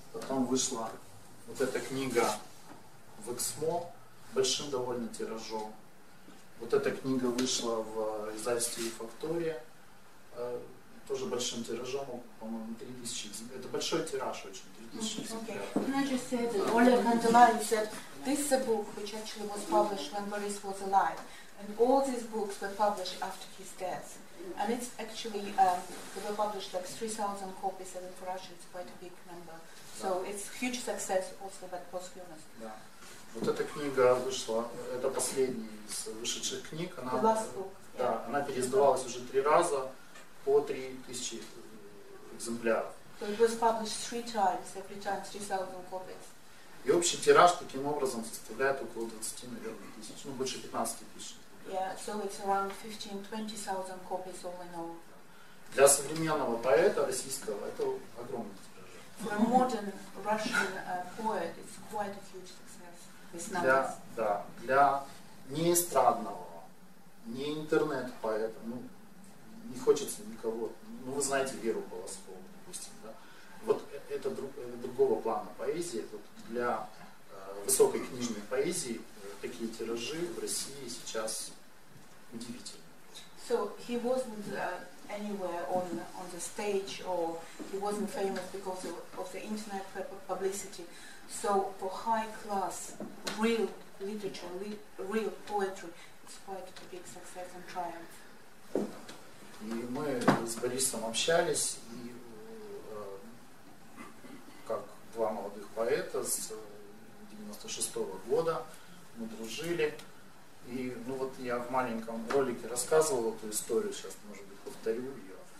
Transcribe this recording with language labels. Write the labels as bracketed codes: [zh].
[ru] Потом вышла вот эта книга в Эксмо, большим довольно тиражом. Вот эта книга вышла в издательстве «Фактория», тоже большим тиражом, по-моему, 3000 экземпляров. Это большой тираж очень, 3000 экземпляров. [en] Can I just say that this is a book which actually was published when Boris was alive, and all these books were published after his death. And it's actually, they were published like 3,000 copies, and for Russia it's quite a big number. So it's huge success also that posthumous. [ru] Да. Вот эта книга вышла, это последняя из вышедших книг. [en] The last book. [ru] Да, она переиздавалась уже три раза по 3000 экземпляров. [en] So it was published three times, every time 3,000 copies. [ru] И общий тираж таким образом составляет около 20, наверное, тысяч, ну больше 15 тысяч. [en] Yeah, so it's around 15-20,000 copies all in all. [ru] Для современного поэта российского это огромный тираж. [en] For a modern Russian poet, it's quite a huge success. [ru] Для не эстрадного, не интернет-поэта, ну не хочется никого. Ну, вы знаете Веру Полоскову, допустим, да? Вот это другого плана поэзии. Вот для высокой книжной поэзии такие тиражи в России сейчас удивительны. [en] So he wasn't anywhere on the stage, or he wasn't famous because of the internet publicity. So for high class, real literature, real poetry, it's quite a big success and triumph. [ru] И мы с Борисом общались, и как два молодых поэта с 96 года мы дружили. И ну вот я в маленьком ролике рассказывал эту историю, сейчас, может быть, повторю ее.